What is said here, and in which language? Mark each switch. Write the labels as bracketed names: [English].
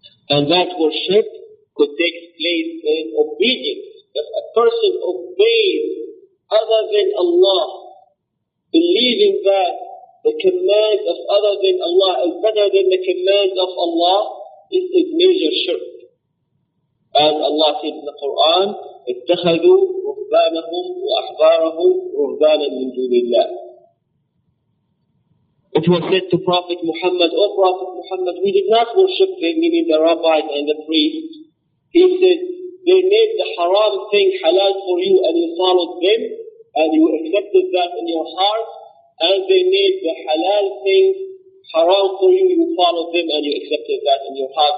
[English] And that worship could take place in obedience. If a person obeys other than Allah, believing that the command of other than Allah is better than the command of Allah, this is major shirk. As Allah said in the Quran, [Arabic] اتخذوا رهبانهم وأحبارهم رهبانا من دون الله. [English] It was said to Prophet Muhammad, O Prophet Muhammad, we did not worship them, meaning the rabbis and the priests. He said, they made the haram thing halal for you and you followed them and you accepted that in your heart. And they made the halal thing haram for you, you followed them and you accepted that in your heart.